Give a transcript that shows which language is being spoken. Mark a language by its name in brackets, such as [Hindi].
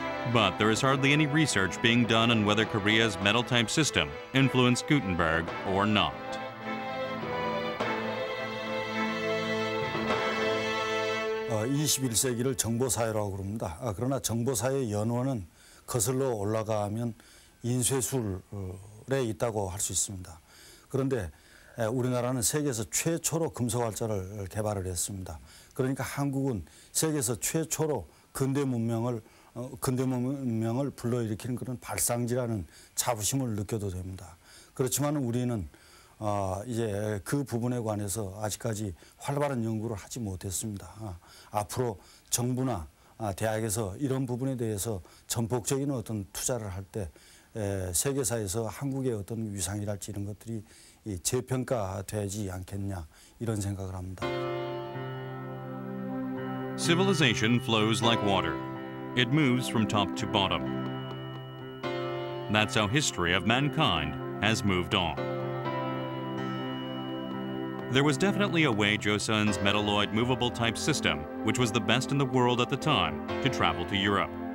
[English] But there is hardly any research being done on whether Korea's metal type system influenced Gutenberg or not. [Korean] Uh, 21세기를 정보사회라고 부릅니다. 그러나 정보사회의 연원은 거슬러 올라가면 인쇄술에 있다고 할 수 있습니다. 그런데 우리나라는 세계에서 최초로 금속활자를 개발을 했습니다. 그러니까 한국은 세계에서 최초로 근대 문명을 근대 문명을 불러일으키는 그런 발상지라는 자부심을 느껴도 됩니다. 그렇지만 우리는 이제 그 부분에 관해서 아직까지 활발한 연구를 하지 못했습니다. 앞으로 정부나 대학에서 이런 부분에 대해서 전폭적인 어떤 투자를 할 때 세계사에서 한국의 어떤 위상이랄지 이런 것들이 재평가되지 않겠냐 이런 생각을 합니다. [English] Civilization flows like water. It moves from top to bottom. That's how history of mankind has moved on. There was definitely a way Joseon's metalloid movable type system, which was the best in the world at the time, to travel to Europe.